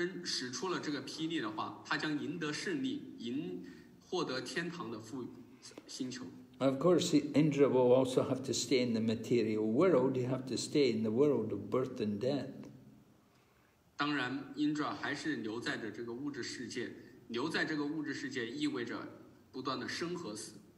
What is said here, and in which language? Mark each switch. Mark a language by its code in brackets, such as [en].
[zh] 如果Indra扔出了这个霹雳的话, 他将赢得胜利, 赢获得天堂的星球。 [en] Of course, Indra will also have to stay in the material world. He have to stay in the world of birth and death. [zh] 当然，Indra还是留在着这个物质世界，留在这个物质世界意味着不断的生和死。